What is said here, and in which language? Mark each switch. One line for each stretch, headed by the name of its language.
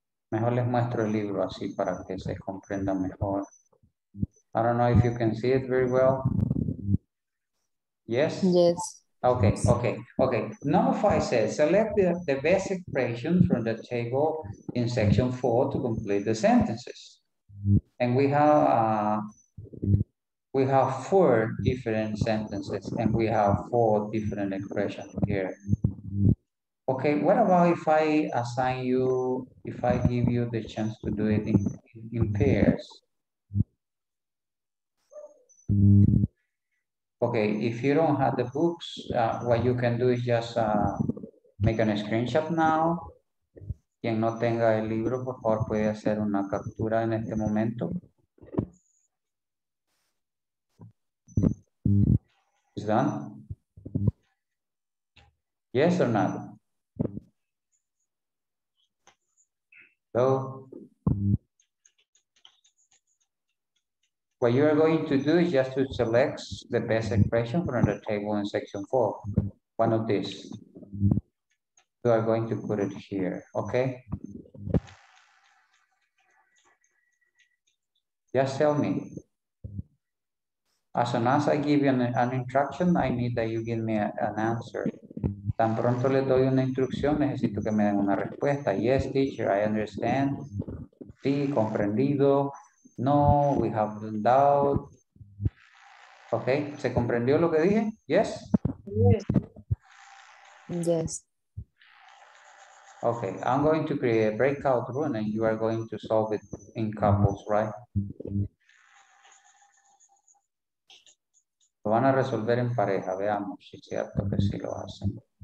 Spanish: Mejor les muestro el libro así para que se comprenda mejor.
English: I don't know if you can see it very well. Yes? Yes. Okay, okay, okay. Number five says, select the best expression from the table in section four to complete the sentences. And we have four different sentences and we have four different expressions here. Okay, what about if I assign you, if I give you the chance to do it in pairs? Okay, if you don't have the books, what you can do is just make a screenshot now.
Spanish: Quien no tenga el libro, por favor, puede hacer una captura en este momento.
English: Is it done? Yes or not? So, what you are going to do is just to select the best expression from the table in section four. One of these. You are going to put it here, okay? Just tell me. As soon as I give you an instruction, I need that you give me an answer.
Spanish: Tan pronto le doy una instrucción, necesito que me den una respuesta.
English: Yes, teacher, I understand.
Spanish: Sí, comprendido.
English: No, we have no doubt. Okay,
Spanish: ¿se comprendió lo que dije?
English: Yes? Yes. Yes. Okay, I'm going to create a breakout room and you are going to solve it in couples, right?
Spanish: Lo van a resolver en pareja, veamos si es cierto que sí lo hacen.